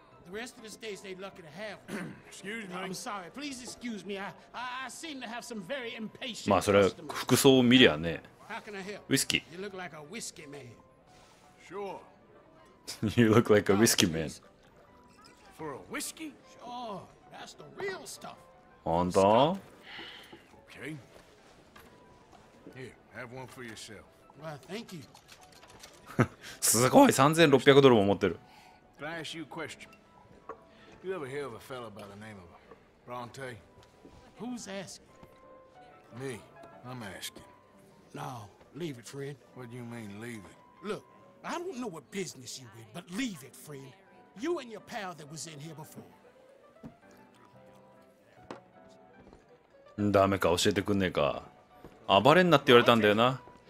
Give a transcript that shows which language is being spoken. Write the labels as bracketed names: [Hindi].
[English] The rest of the states they're lucky to have. Excuse me. I'm sorry. Please excuse me. I seem to have some very impatient. [Japanese] まあそれは服装を見りゃね。 [English] ウイスキー。You look like a whiskey man. Sure. You look like a whiskey man. For a whiskey? Sure. That's the real stuff. [Japanese] 本当？ [English] Okay. Here, have one for yourself. Well, thank you. [Japanese] すごい、3600ドルも持ってる。 [English] Can I ask you a question? You ever hear of a fellow by the name of Bronte? Who's asking? Me. I'm asking. No, leave it, friend. What do you mean, leave it? Look, I don't know what business you in, but leave it, friend. You and your pal that was in here before. [Japanese] ダメか、教えてくんねえか。暴れんなって言われたんだよな。